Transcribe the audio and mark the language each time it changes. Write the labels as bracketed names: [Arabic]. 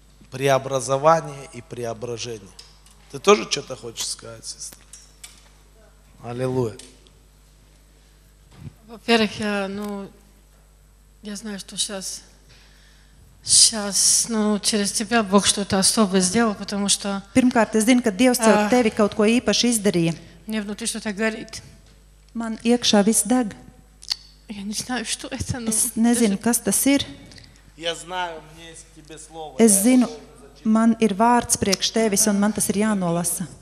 [Russian] Преобразование и преображение. Ты тоже что-то хочешь сказать, сестра? Аллилуйя. Во-первых, я, ну, я знаю, что сейчас, ну, через тебя Бог что-то особое сделал, потому что... [Latvian] Pirmkārt, es zinu, ka Dievs caur tevi kaut ko īpaši izdarīja. [Russian] Мне внутри что-то горит. [Latvian] Man iekšā viss deg. [Russian] Я не знаю, что это, ну... [Latvian] Es nezinu, [Russian] даже... [Latvian] kas tas ir. [Russian] Я знаю, мне есть тебе слово. [Latvian] Es zinu, man ir vārds priekš tevis, un man tas ir jānolasa.